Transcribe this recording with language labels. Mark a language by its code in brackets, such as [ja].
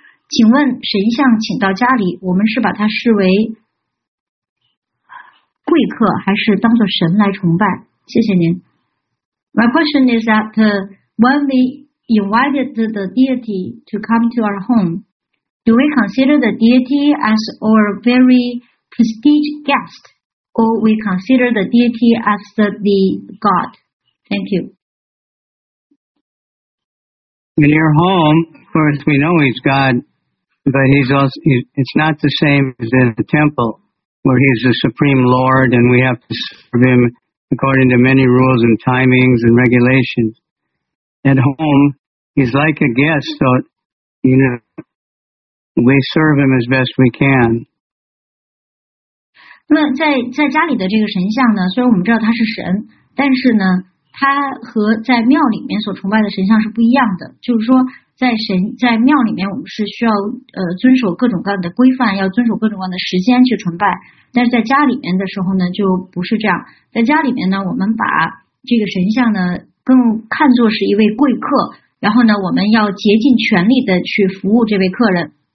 [zh] 请问神像请到家里，我们是把它视为贵客，还是当作神来崇拜？谢谢您。 [en] My question is that when we invited the deity to come to our home, do we consider the deity as our very prestige guest, or we consider the deity as the god? Thank you. In your home, of course, we know he's God, but he's also, it's not the same as in the temple, where he's the supreme lord and we have to serve him according to many rules and timings and regulations. At home, he's like a guest, so, you know, we serve him as best we can. [zh] 那在家里的这个神像呢，虽然我们知道他是神，但是呢他和在庙里面所崇拜的神像是不一样的，就是说在庙里面我们是需要遵守各种各样的规范，要遵守各种各样的时间去崇拜，但是在家里面的时候呢就不是这样，在家里面呢我们把这个神像呢更看作是一位贵客，然后呢我们要竭尽全力的去服务这位客人。